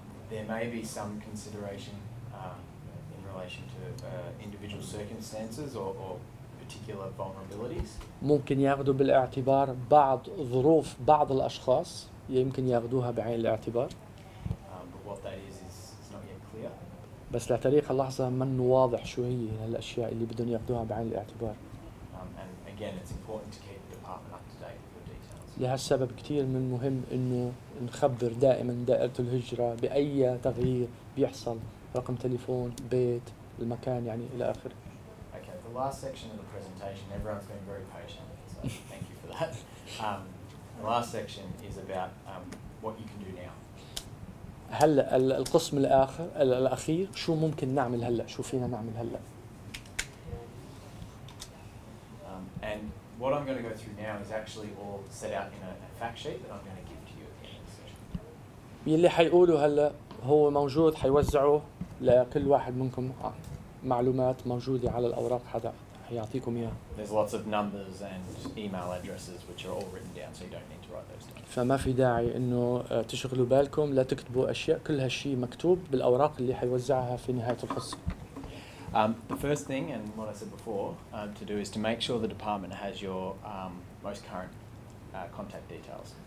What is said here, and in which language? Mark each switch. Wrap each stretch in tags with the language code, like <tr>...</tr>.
<en>There may be some consideration in relation to individual circumstances or particular vulnerabilities.</en> <ar>ممكن يأخذوا بالاعتبار بعض ظروف بعض الأشخاص يمكن يأخذوها بعين الاعتبار.</ar> <en>But what that is not yet clear.</en> <ar>بس لتاريخ اللحظة من واضح شو هي الأشياء اللي بدهم يأخذوها بعين الاعتبار.</ar> <en>And again, it's important to keep the department up to date with the details.</en> <ar>لهالسبب كتير من المهم إنه نخبر دائما دائرة الهجرة بأي تغيير بيحصل رقم تليفون بيت المكان يعني إلى آخر.</ar> <en>Okay, the last section of the presentation. Everyone's been very patient, so thank you for that. The last section is about what you can do now.</en> <ar>هلا القسم الآخر الأخير شو ممكن نعمل هلا شو فينا نعمل هلا.</ar> <en>And what I'm going to go through now is actually all set out in a fact sheet that I'm going to give to you at the end of the session.</en> <ar>يلي حيقوله هلا هو موجود حيوزعه لكل واحد منكم معلومات موجودة على الأوراق حدا حيعطيكم إياها.</ar> <en>There's lots of numbers and email addresses which are all written down, so you don't need to write those down.</en> <ar>فما في داعي إنه تشغلوا بالكم لا تكتبوا أشياء كل هالشيء مكتوب بالأوراق اللي حيوزعها في نهاية الفصل.</ar> <en>The first thing, and what I said before, to do is to make sure the department has your most current contact details.</en>